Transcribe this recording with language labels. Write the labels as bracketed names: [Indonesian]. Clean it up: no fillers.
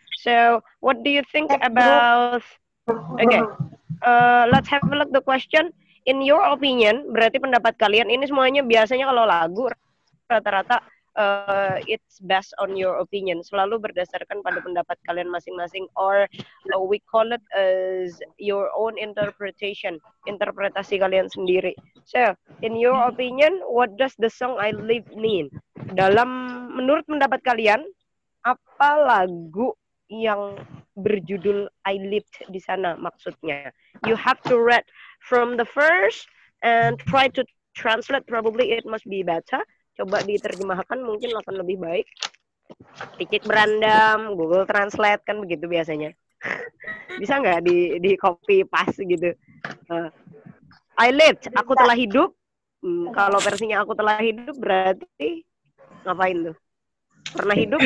[English] So, what do you think about? Okay, let's have a look the question. In your opinion, [Indonesian] berarti pendapat kalian. Ini semuanya biasanya kalau lagu rata-rata [English] it's based on your opinion. [Indonesian] Selalu berdasarkan pada pendapat kalian masing-masing. [English] Or we call it as your own interpretation. [Indonesian] Interpretasi kalian sendiri. [English] So, in your opinion, what does the song I Live mean? [Indonesian] Dalam, menurut pendapat kalian, apa lagu yang berjudul I Live di sana maksudnya? [English] You have to read from the first and try to translate. Probably it must be better. [Indonesian] Coba diterjemahkan mungkin akan lebih baik. Cicit berandam, Google Translate kan begitu biasanya. Bisa nggak di copy paste gitu? [English] I lived, [Indonesian] aku telah hidup. Kalau versinya aku telah hidup berarti ngapain tuh? Pernah hidup?